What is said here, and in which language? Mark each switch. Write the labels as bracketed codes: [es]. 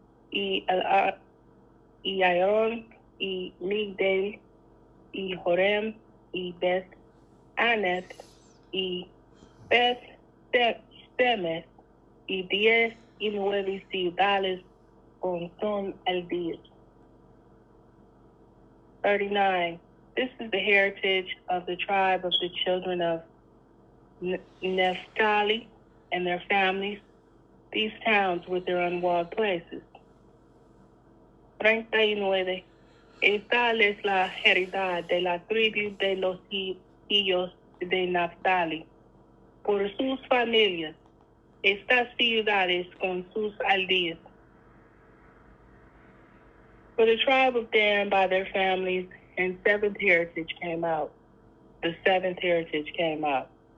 [es] Y Ayon y Migdal y Horam y Beth Anith y Beth Shemeth y 10 y 9 ciudades con son el día. 39. [en] This is the heritage of the tribe of the children of Naphtali and their families, these towns with their unwalled places. 39. [es] Esta es la heredad de la tribu de los hijos de Naphtali por sus familias. Estas ciudades con sus aldeas. [en] For the tribe of Dan by their families, and seventh heritage came out. The seventh heritage came out.